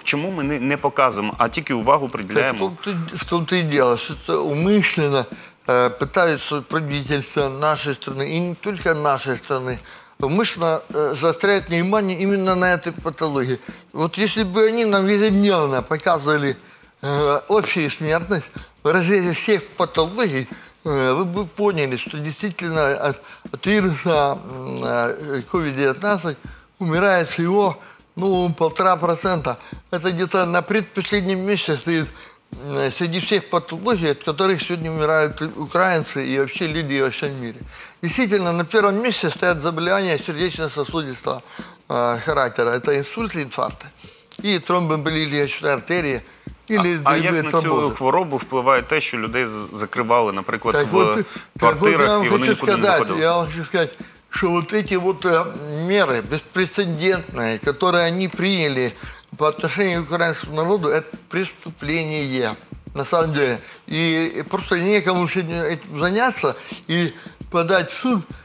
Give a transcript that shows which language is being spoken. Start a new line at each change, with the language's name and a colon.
Ukrainian: Чому ми не показуємо, а тільки увагу приділяємо? В тому-то і діло, що це умишлено.
Russian: Пытаются правительство нашей страны, и не только нашей страны, умышленно заостряют внимание именно на этой патологии. Вот если бы они нам ежедневно показывали общую смертность в разрезе всех патологий, вы бы поняли, что действительно от вируса COVID-19 умирает всего 1.5%. Это где-то на предпоследнем месте стоит. Среди всех патологий, от которых сегодня умирают украинцы и вообще люди во всем мире. Действительно, на первом месте стоят заболевания сердечно-сосудистого характера. Это инсульты, инфаркты и тромбоэмболические артерии. Или
Ukrainian: а як на цю хворобу впливає те, що людей закривали, наприклад, так в вот, квартирах,
Russian: вот и они никуда сказать, не выходили? Я вам хочу сказать, что вот эти вот меры беспрецедентные, которые они приняли по отношению к украинскому народу, это преступление, на самом деле. И просто некому сегодня этим заняться и подать в суд.